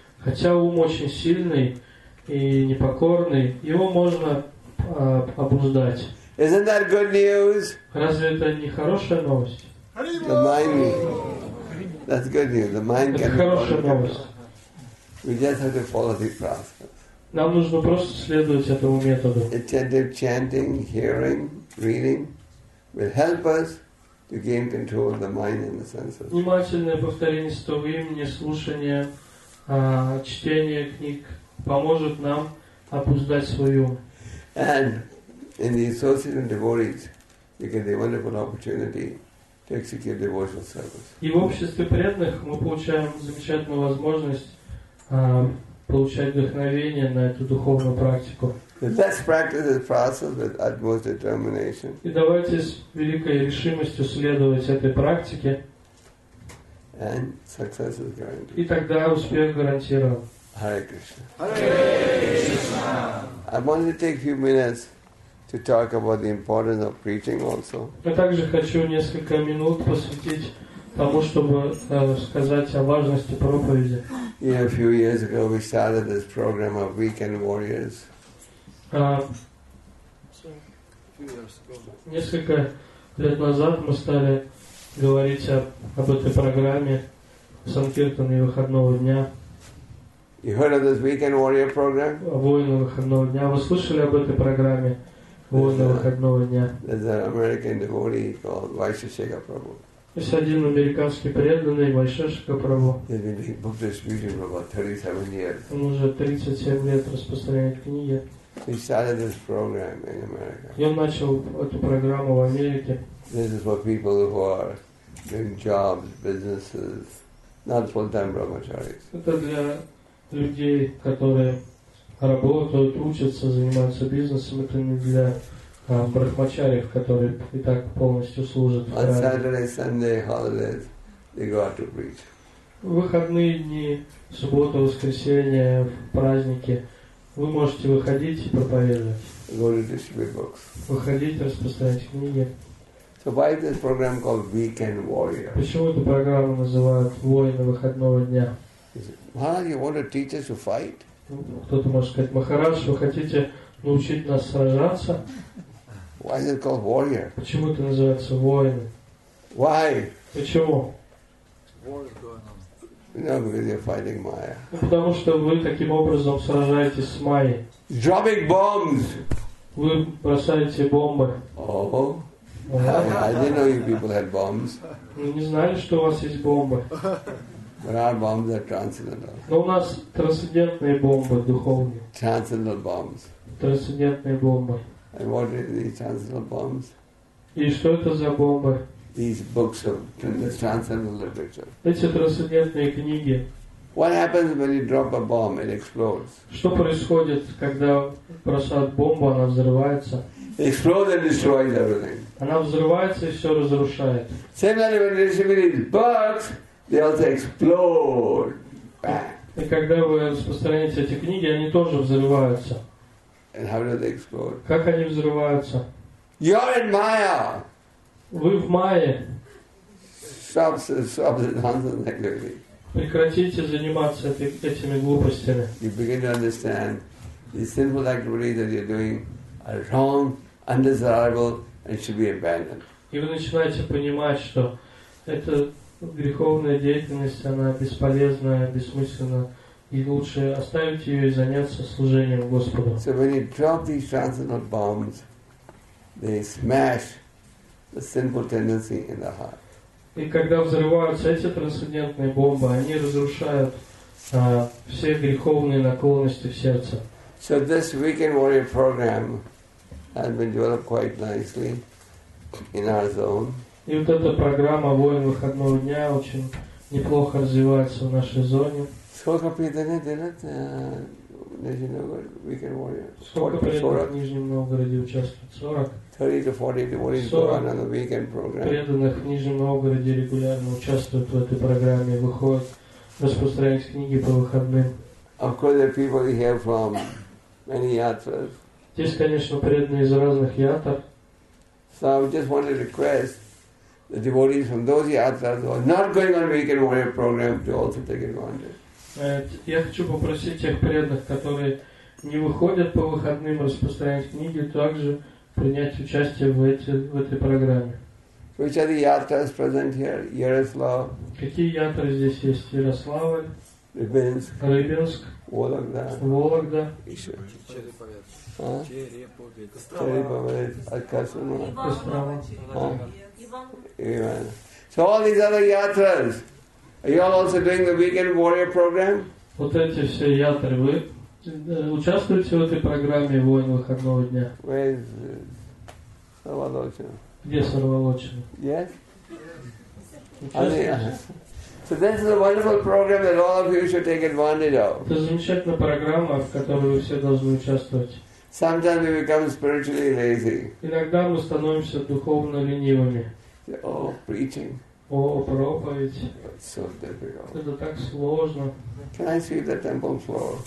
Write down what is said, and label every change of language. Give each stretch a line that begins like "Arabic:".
Russian: Хотя ум очень сильный и непокорный, его можно обуздать.
English: Isn't that good news?
Russian: Разве это не хорошая новость?
English: The mind means. That's good news. The mind can be controlled. We just have to follow the process.
Russian: Нам нужно просто следовать этому методу.
English: Attentive chanting, hearing, reading will help us to gain control of the mind and the senses.
Russian: Внимательное повторение святого имени, слушание, чтение книг поможет нам обуздать свой ум.
English: And in the association of devotees, you get a wonderful opportunity to execute devotional service.
Russian: И в обществе преданных мы получаем замечательную возможность получать вдохновение на эту духовную практику.
English: Let's practice this process with utmost determination.
Russian: И давайте с великой решимостью следовать этой практике.
English: And success is guaranteed.
Russian: И тогда успех гарантирован.
Sanskrit: Hare Krishna. Hare Krishna.
English: I wanted to take a few minutes to talk about the importance of preaching also.
Russian: Я также хочу несколько минут посвятить тому, чтобы сказать о важности проповеди.
English: Yeah, a few years ago we started this program of Weekend Warriors.
Russian: Несколько лет назад мы стали говорить об этой программе Санкиртана и выходного дня.
English: You heard of this Weekend Warrior program?
Russian: Воины выходного дня. Вы слышали об этой программе Воины выходного дня?
English: There's an American devotee called Vaisheshika Prabhu.
Russian: Есть один американский преданный Вайшешика Прабху.
English: He's been doing book distribution for about 37 years.
Russian: Он уже 37 лет распространяет книги.
English: He started this program in America.
Russian: И он начал эту программу в Америке.
English: This is for people who are doing jobs, businesses, not full-time brahmacharis.
Russian: Это для людей, которые работают, учатся, занимаются бизнесом, это не для брахмачариев, которые и так полностью служат.
English: On Saturday, Sunday, holidays, they go out to preach.
Russian: Выходные дни, суббота, воскресенье, праздники, вы можете выходить и проповедовать.
English: Go to distribute books.
Russian: Выходить, распространять книги.
English: So why is this program called Weekend Warrior?
Russian: Почему эту программу называют «Воины выходного дня»?
English: Well, you want to teach us to fight?
Russian: Кто-то может сказать, Махарадж, вы хотите научить нас сражаться?
English: Why is it called warrior?
Russian: Почему это называется воин?
English: Why?
Russian: Почему?
English: War is going on. No, because you're fighting Maya.
Russian: Потому что вы таким образом сражаетесь с Майей.
English: Dropping bombs.
Russian: Вы бросаете бомбы.
English: Oh. I didn't know you people had bombs.
Russian: Вы не знали, что у вас есть бомбы.
English: But our bombs are transcendental.
Russian: Но у нас трансцендентные бомбы духовные.
English: Transcendental bombs.
Russian: Трансцендентные бомбы.
English: And what are these transcendental bombs?
Russian: И что это за бомбы?
English: These books of transcendental literature.
Russian: Эти трансцендентные книги.
English: What happens when you drop a bomb? It explodes.
Russian: Что происходит, когда бросают бомбу, она взрывается?
English: It explodes and destroys everything.
Russian: Она взрывается и все разрушает.
English: Similarly, when you receive these books, they also explode.
Russian: И когда вы распространяете эти книги, они тоже взрываются.
English: And how do they explode?
Russian: Как они взрываются?
English: You're in Maya.
Russian: Вы в Майе.
English: Stop the nonsense activity.
Russian: Прекратите заниматься этими глупостями.
English: You begin to understand the sinful activity that you're doing are wrong, undesirable, and should be abandoned.
Russian: И вы начинаете понимать, что это греховная деятельность, она бесполезная, бессмысленна, и лучше оставить ее и заняться служением Господу.
English: So when you drop these transcendental bombs, they smash the sinful tendency in the heart.
Russian: И когда взрываются эти трансцендентные бомбы, они разрушают все греховные наклонности в сердце.
English: So this Weekend Warrior program has been developed quite nicely in our zone.
Russian: И вот эта программа «Воин выходного дня» очень неплохо развивается в нашей зоне. Сколько преданных делает Нижний Новгород Weekend Warrior? Сколько преданных в Нижнем Новгороде участвует? 40?
English: 30-40 devotees go on the Weekend program.
Russian: Преданных в Нижнем Новгороде регулярно участвуют в этой программе, выходят, распространяют книги по выходным.
English: Of course, there are people here from many yatras.
Russian: Здесь, конечно, преданные из разных ятр.
English: So I just wanted to request the devotees from those yatras who are not going on Weekend Warrior program to also take advantage.
Russian: Я хочу попросить тех преданных, которые не выходят по выходным распространять книги, также принять участие в этой программе.
English: Which are the yatras present here? Yaroslav.
Russian: Какие ятры здесь есть? Ярославль. Рыбинск. Рыбинск. Вологда. Вологда. Еще. Череповец. Откашено. Кострова.
English: So all these other yatras. Are you all also doing the weekend warrior program?
Russian: Вот эти все ятры. Вы участвуете в этой программе воин выходного дня?
English: Where is Сарвалочина?
Russian: Где Сарвалочина?
English: Yes? So this is a wonderful program that all of you should take advantage of.
Russian: Это замечательная программа, в которой вы все должны участвовать.
English: Sometimes we become spiritually lazy.
Russian: Иногда мы становимся духовно ленивыми.
English: Oh, preaching.
Russian: О, проповедь.
English: It's so difficult.
Russian: Это так сложно.
English: Can I sweep the temple floor?